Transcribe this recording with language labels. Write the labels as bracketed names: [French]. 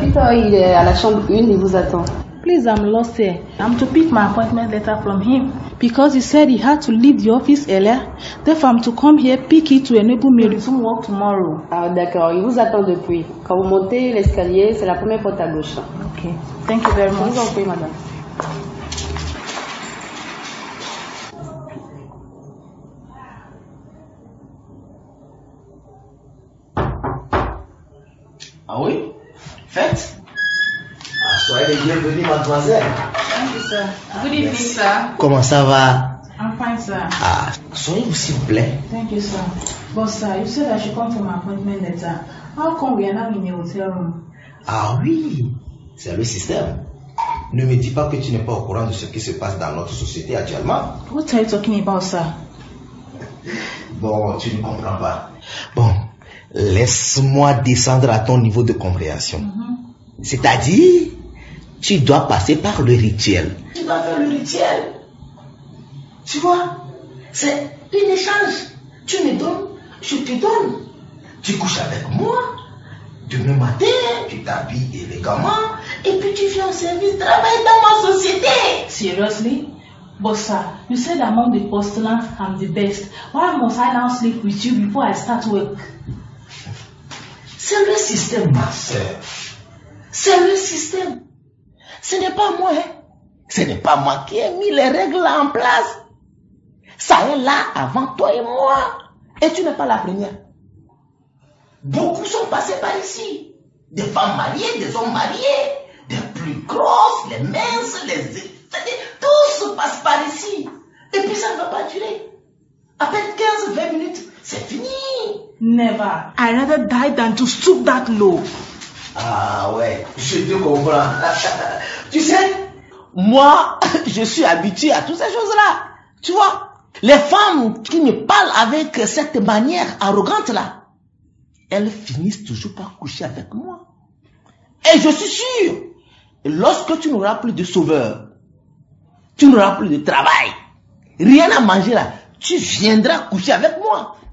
[French] Peter, il est à la chambre 1, il vous attend. [English] Please, I'm lost here. I'm to pick my appointment letter from him because he said he had to leave the office earlier. Therefore, I'm to come here pick it to enable me to resume work tomorrow. [French] Ah, d'accord. Il vous attend depuis. Quand vous montez l'escalier, c'est la première porte à gauche. [English] Okay. Thank you very much. [French] Je vous en prie, madame. Ah oui? Faites? Ah, soyez les bienvenus, mademoiselle. [English] Thank you, sir. Good evening, yes. Sir. [French] Comment ça va? [English] I'm fine, sir. [French] Ah, soyez vous, s'il vous plaît. [English] Thank you, sir. Boss, sir, you said I should come for my appointment later. How come we are now in the hotel room? [French] Ah oui, c'est le système. Ne me dis pas que tu n'es pas au courant de ce qui se passe dans notre société actuellement. [English] What are you talking about, sir? [French] Bon, tu ne comprends pas. Bon. Laisse-moi descendre à ton niveau de compréhension. Mm-hmm. C'est-à-dire, tu dois passer par le rituel. Tu dois faire le rituel. Tu vois, c'est un échange. Tu me donnes, je te donne. Tu couches avec moi. Demain matin, tu t'habilles élégamment. Et puis tu viens au service, travailler dans ma société. [English] Seriously? Bossa, you said among the postulants, I'm the best. Why must I now sleep with you before I start work? [French] C'est le système, ma soeur. C'est le système. Ce n'est pas moi. Hein? Ce n'est pas moi qui ai mis les règles en place. Ça est là avant toi et moi. Et tu n'es pas la première. Beaucoup sont passés par ici. Des femmes mariées, des hommes mariés. Des plus grosses, les minces, les... Tout se passe par ici. Et puis ça ne va pas durer. À peine 15-20 minutes, c'est fini. [English] Never. I'd rather die than to stoop that low. [French] Ah ouais, je te comprends. Tu sais, moi, je suis habitué à toutes ces choses-là. Tu vois, les femmes qui me parlent avec cette manière arrogante-là, elles finissent toujours par coucher avec moi. Et je suis sûr, lorsque tu n'auras plus de sauveur, tu n'auras plus de travail, rien à manger là, tu viendras coucher avec moi.